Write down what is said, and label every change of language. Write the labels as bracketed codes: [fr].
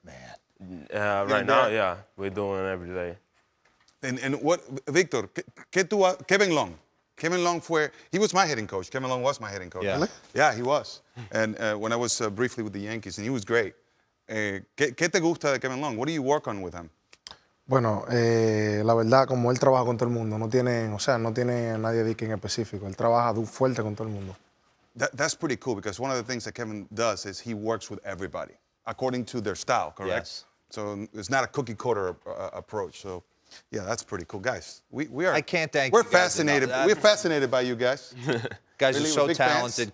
[en] Man. Right now, we're doing it every day. And what, Victor, Kevin Long. Kevin Long, he was my hitting coach. Kevin Long was my hitting coach. Yeah. Really? Yeah, he was. And when I was briefly with the Yankees, and he was great. [es] ¿Qué te gusta de Kevin Long? [en] What do you work on with him? [es] Bueno, la verdad, como él trabaja con todo el mundo, no tiene a nadie de quien específico. Él trabaja fuerte con todo el mundo. [en] That's pretty cool because one of the things that Kevin does is he works with everybody according to their style, correct? Yes. So it's not a cookie cutter approach. So, yeah, that's pretty cool, guys. We are. I can't thank. We're you fascinated. Guys, we're fascinated by you guys. Guys really, are so talented, fans.